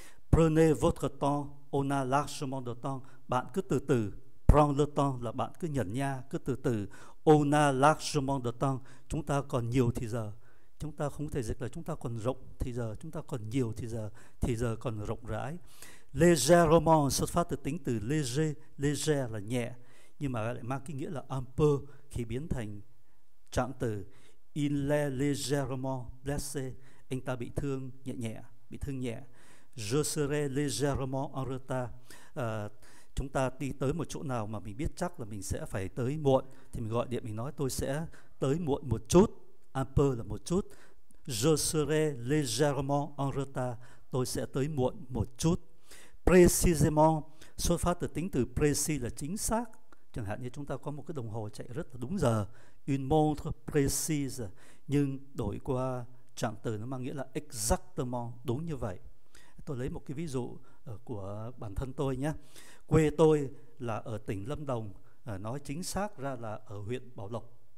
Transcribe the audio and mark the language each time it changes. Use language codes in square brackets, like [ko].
[fr] Prenez votre temps, on a largement de temps. [vi] Bạn cứ từ từ. [fr] Prendre le temps là [vi] bạn cứ nhẩn nha, cứ từ từ. [fr] On a largement de temps. [vi] Chúng ta còn nhiều thì giờ. Chúng ta không thể dịch là chúng ta còn rộng thì giờ, chúng ta còn nhiều thì giờ còn rộng rãi. Légèrement xuất phát từ tính từ léger, léger là nhẹ, nhưng mà lại mang cái nghĩa là un peu khi biến thành trạng từ. [fr] Il est légèrement blessé, [vi] anh ta bị thương nhẹ nhẹ, bị thương nhẹ. [fr] Je serai légèrement en retard. [vi] Chúng ta đi tới một chỗ nào mà mình biết chắc là mình sẽ phải tới muộn thì mình gọi điện mình nói tôi sẽ tới muộn một chút. Un peu là một chút. [fr] Je serai légèrement en retard. [vi] Tôi sẽ tới muộn một chút. Précisément xuất phát từ tính từ précis là chính xác. Chẳng hạn như chúng ta có một cái đồng hồ chạy rất là đúng giờ. [fr] Une montre précise. [vi] Nhưng đổi qua trạng từ nó mang nghĩa là exactement, đúng như vậy. Tôi lấy một cái ví dụ của bản thân tôi nhé. Quê tôi là ở tỉnh Lâm Đồng, nói chính xác ra là ở huyện Bảo Lộc.